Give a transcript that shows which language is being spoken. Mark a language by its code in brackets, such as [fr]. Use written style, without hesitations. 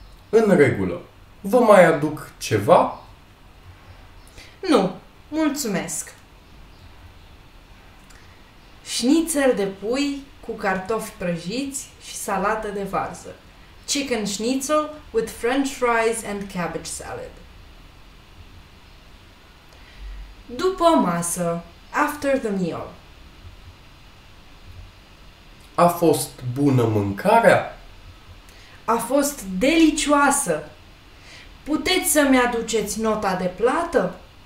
[ro] În regulă. Vă mai aduc ceva? Nu, mulțumesc. Șnițel de pui cu cartofi prăjiți și salată de varză. [en] Chicken schnitzel with french fries and cabbage salad. [ro] După masă, [en] after the meal. [ro] A fost bună mâncarea? A fost delicioasă. Puteți să-mi aduceți nota de plată?